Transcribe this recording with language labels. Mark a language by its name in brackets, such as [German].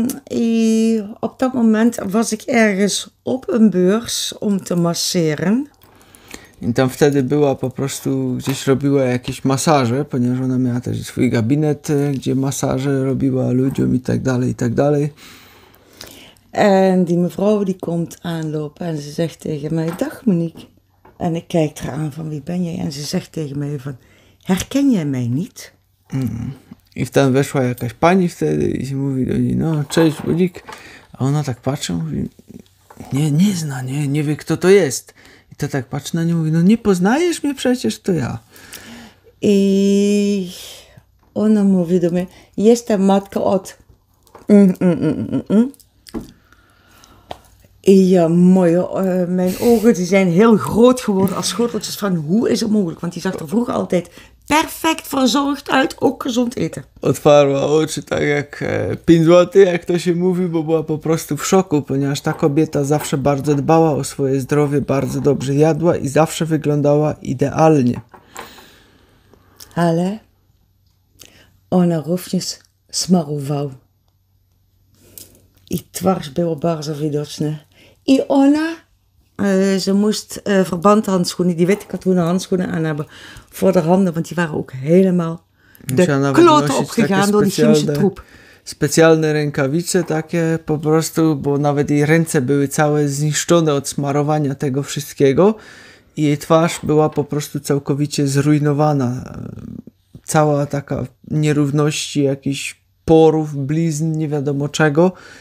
[Dutch] I op dat moment was ik ergens op een beurs om te masseren. [Polish] I tam wtedy była po prostu, gdzieś robiła jakieś masaże, ponieważ ona miała też swój gabinet, gdzie masaże robiła ludziom i tak dalej, i tak dalej. [Dutch] En die mevrouw die komt aanlopen en ze zegt tegen mij, dag Monique. En ik kijk eraan van wie ben jij? En ze zegt tegen mij van, herken jij mij niet? Mm. [Polish] I wtedy weszła jakaś pani wtedy i się mówi do niej, no cześć Budzik. A ona tak patrzy, mówi, nie zna, nie wie kto to jest. I to tak patrzy na nią, mówi, no nie poznajesz mnie przecież, to ja. I ona mówi do mnie, jestem matką od... [Dutch] I mijn ogen die zijn heel groot geworden als schoteltjes van hoe is het mogelijk? Want die zag er vroeger altijd... Perfect verzorgd uit, ook gezond eten. [Polish] Otwarła oczy tak jak 5 zł, jak to się mówi, bo była po prostu w szoku, ponieważ ta kobieta zawsze bardzo dbała o swoje zdrowie, bardzo dobrze jadła i zawsze wyglądała idealnie. Ale ona również smarowała. I twarz była bardzo widoczna. I ona... [Dutch] ze moest verbandhandschoenen, die witte katoenen handschoenen aan hebben voor de handen, want die waren ook helemaal de kloten opgegaan door die chemische troep. [Polish] Specjalne rękawice takie po prostu, bo nawet jej ręce były całe zniszczone od smarowania tego wszystkiego i jej twarz była po prostu całkowicie zrujnowana. Cała taka nierówności, jakiś porów, blizn, nie wiadomo czego.